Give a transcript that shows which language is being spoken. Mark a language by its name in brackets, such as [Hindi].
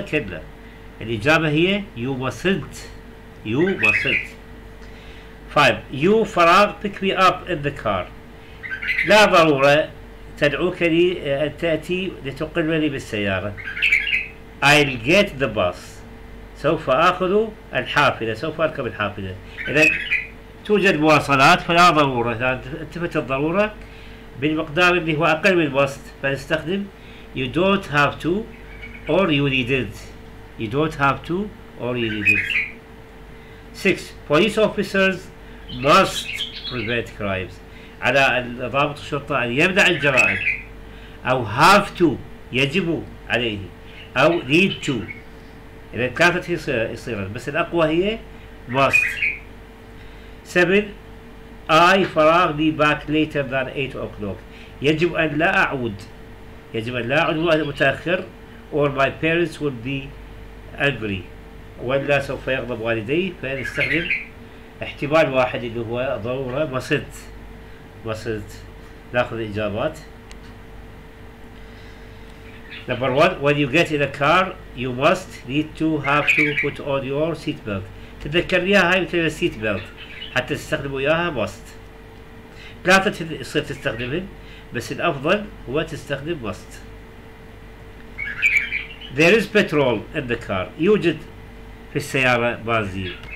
[Arabic] كلا الإجابة هي you mustn't. [English] you mustn't. 5 you فراغ pick me up in the car. [Arabic] لا ضرورة تدعوك لي أن تأتي لتقلني بالسيارة. I'll get the bus، سوف أخذ الحافلة، سوف أركب الحافلة. إذا توجد مواصلات فلا ضرورة، إذا انتفت الضرورة بالمقدار اللي هو أقل من الوسط، فنستخدم you don't have to or you needn't. [English] you don't have to or you need it. 6 police officers must prevent crimes. [Arabic] على ضابط الشرطة أن يمنع الجرائم. أو have to يجب عليه. أو need to. إذا كانت هي صيغة بس الأقوى هي must. [English] 7 I فراغ be back later than 8 o'clock. [Arabic] يجب أن لا أعود. يجب أن لا أعود متأخر. [English] Or my parents will be angry. ولا سوف يغضب والدي. [Arabic] فنستخدم احتمال واحد اللي هو ضرورة must. Must. ناخذ الإجابات. [English] Number one, when you get in a car, you must need to have to put on your seat belt. [Arabic] تذكر ياها هاي مثل seat belt. حتى تستخدموا ياها must. ثلاثة تصير تستخدمهم بس الأفضل هو تستخدم must. [English] There is petrol in the car. يوجد في السيارة بنزين.